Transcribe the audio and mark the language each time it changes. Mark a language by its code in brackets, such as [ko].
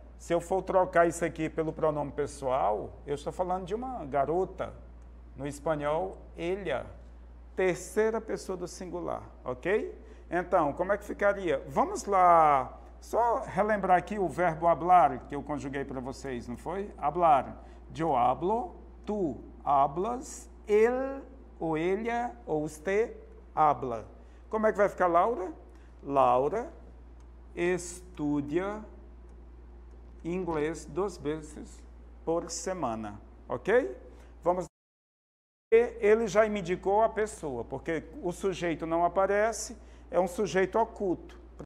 [pt] Se eu for trocar isso aqui pelo pronome pessoal, eu estou falando de uma garota. No espanhol, ella. Terceira pessoa do singular, ok? Então, como é que ficaria? Vamos lá, só relembrar aqui o verbo hablar, que eu conjuguei para vocês, não foi? [es] Hablar. Yo hablo, tú hablas, él ou ella ou usted habla. [pt] Como é que vai ficar, Laura? Laura estudia inglês 2 vezes por semana, ok? Vamos. Ele já me indicou a pessoa, porque o sujeito não aparece, é um sujeito oculto.